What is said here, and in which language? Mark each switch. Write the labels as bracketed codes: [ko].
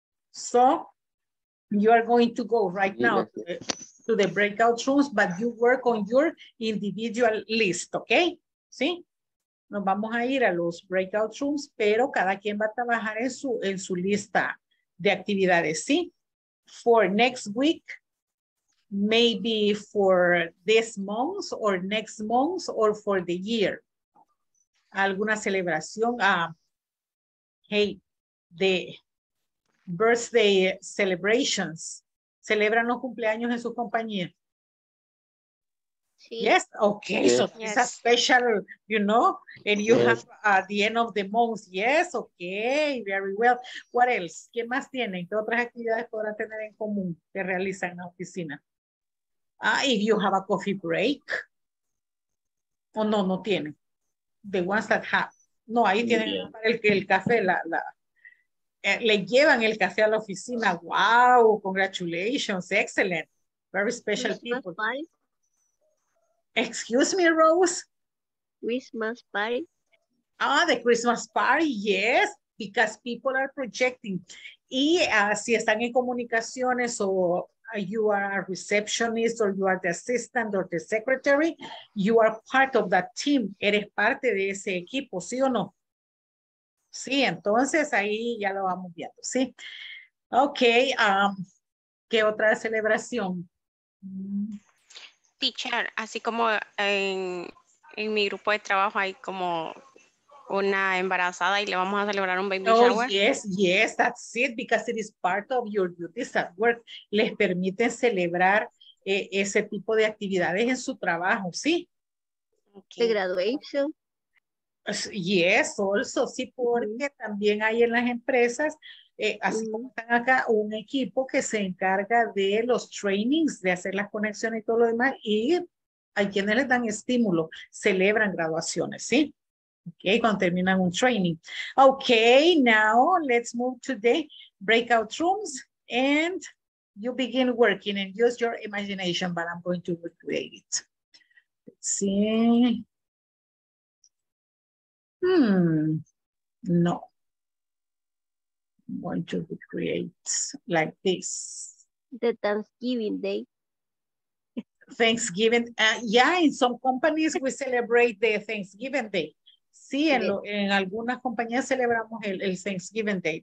[en] So, you are going to go right now to the breakout rooms, but you work on your individual list, ¿ok? [es] ¿Sí? Nos vamos a ir a los breakout rooms, pero cada quien va a trabajar en su lista de actividades, ¿sí? [en] For next week, maybe for this month or next month or for the year. [es] Alguna celebración, [en] hey, the birthday celebrations. [es] ¿Celebran los cumpleaños en su compañía? Sí. [en] Yes, okay, yes. So it's a special, you know, and you have the end of the month. Yes, okay, very well. What else? [es] ¿Qué más tienen? ¿Qué otras actividades podrán tener en común que realizan en la oficina? [en] If you have a coffee break. Oh, no, [es] no tienen. [en] The ones that have. [es] No, ahí tienen el café. Le llevan el café a la oficina. [en] Wow, congratulations, excellent. Very special people. Excuse me, Rose. Christmas party. Ah, the Christmas party, yes, because people are projecting. [es] Y si están en comunicaciones o [en] you are a receptionist or you are the assistant or the secretary, you are part of that team. [es] Eres parte de ese equipo, ¿sí o no? Sí, entonces ahí ya lo vamos viendo, ¿sí? Ok, ¿qué otra celebración? Teacher, así como en mi grupo de trabajo hay como una embarazada y le vamos a celebrar un baby shower. [en] Oh, yes, yes, that's it, because it is part of your duties at work. [es] Les permite celebrar ese tipo de actividades en su trabajo, ¿sí? [en] Okay. The graduation. Yes, also, [es] sí, porque también hay en las empresas, así como están acá, un equipo que se encarga de los trainings, de hacer las conexiones y todo lo demás, y hay quienes les dan estímulo, celebran graduaciones, ¿sí? Ok, cuando terminan un training. [en] Ok, now let's move to the breakout rooms, and you begin working and use your imagination, but I'm going to recreate it. Let's see. No. I'm going to recreate like this. The Thanksgiving Day. Thanksgiving. Yeah, in some companies we celebrate the Thanksgiving Day. [es] Sí, en algunas compañías celebramos el Thanksgiving Day.